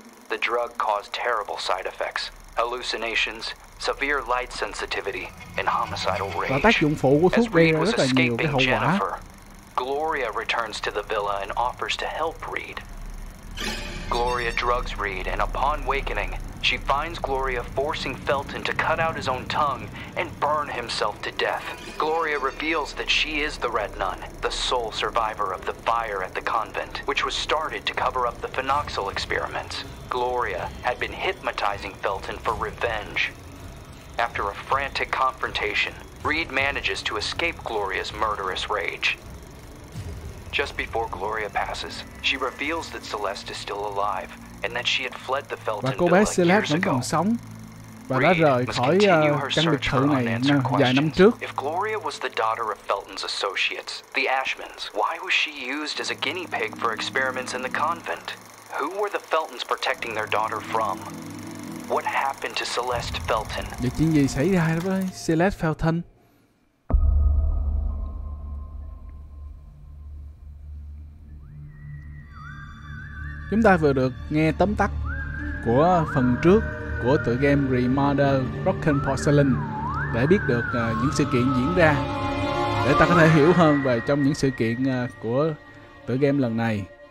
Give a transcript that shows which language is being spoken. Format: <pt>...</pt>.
<en>The drug caused terrible side effects, hallucinations, severe light sensitivity, and homicidal rage.</en> <vi>Và tác dụng phụ của thuốc gây ra rất là nhiều cái hậu quả.</vi> <en>Gloria returns to the villa and offers to help Reed. Gloria drugs Reed, and upon wakening, she finds Gloria forcing Felton to cut out his own tongue and burn himself to death. Gloria reveals that she is the Red Nun, the sole survivor of the fire at the convent, which was started to cover up the phenoxyl experiments. Gloria had been hypnotizing Felton for revenge. After a frantic confrontation, Reed manages to escape Gloria's murderous rage. Just before Gloria passes, she reveals that Celeste is still alive and that she had fled the Felton</en> <vi>villa. Cô bé Celeste vẫn còn sống và đã rời khỏi căn biệt thự này vài năm trước.</vi> <en>If Gloria was the daughter of Felton's associates, the Ashmans, why was she used as a guinea pig for experiments in the convent? Who were the Feltons protecting their daughter from? What happened to Celeste Felton?</en> <vi>Vậy chuyện gì xảy ra với Celeste Felton? Chúng ta vừa được nghe tóm tắt của phần trước của tựa game Remaster Broken Porcelain để biết được những sự kiện diễn ra, để ta có thể hiểu hơn về trong những sự kiện của tựa game lần này.</vi>